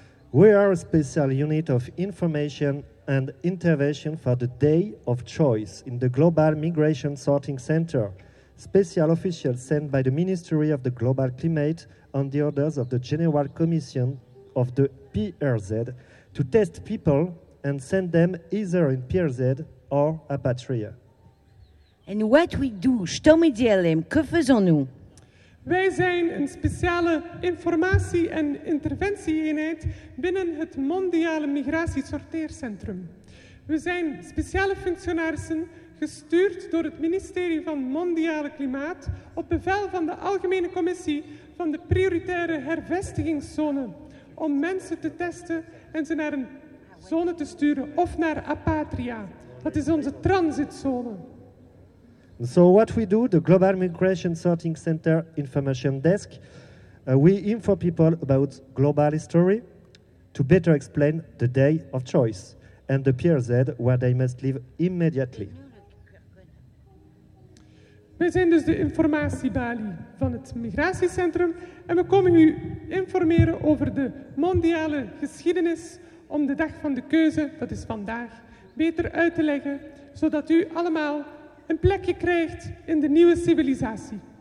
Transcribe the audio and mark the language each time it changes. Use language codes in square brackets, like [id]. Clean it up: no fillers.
[en] We are a special unit of information and intervention for the Day of Choice in the Global Migration Sorting Center. Special officials sent by the Ministry of the Global Climate on the orders of the General Commission of the PRZ to test people and send them either in PRZ or apatria. And what we do, Stomi DLM, [fr] que faisons-nous? [nl] Wij zijn een speciale informatie- en interventie-eenheid binnen het Mondiale Migratiesorteercentrum. We zijn speciale functionarissen gestuurd door het ministerie van Mondiale Klimaat op bevel van de Algemene Commissie van de Prioritaire Hervestigingszone om mensen te testen en ze naar een zone te sturen of naar apatria. Dat is onze transitzone. [en] So what we do, the Global Migration Sorting Center Information Desk, we info people about global history to better explain the day of choice and the PRZ where they must live immediately. [nl] Wij zijn dus de informatiebalie van het migratiecentrum en we komen u informeren over de mondiale geschiedenis om de dag van de keuze, dat is vandaag, beter uit te leggen, zodat u allemaal een plekje krijgt in de nieuwe civilisatie.